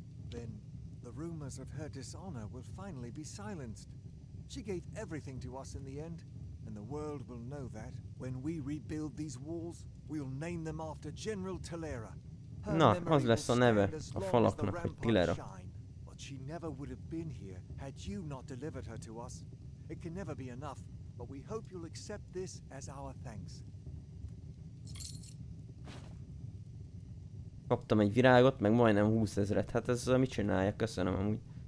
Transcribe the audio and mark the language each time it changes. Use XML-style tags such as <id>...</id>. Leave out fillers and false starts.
<en>Then the rumors of her dishonor will finally be silenced. She gave everything to us in the end, and the world will know that. When we rebuild these walls, we'll name them after General Talera.</en> <hu>Na, az lesz a neve a falaknak, hogy Talera.</hu> <en>But she never would have been here had you not delivered her to us. It can never be enough, but we hope you'll accept this as our thanks.</en> <hu>Kaptam egy virágot, meg majdnem 20 000-et. Hát ez az, amit csinálja, köszönöm amúgy.</hu>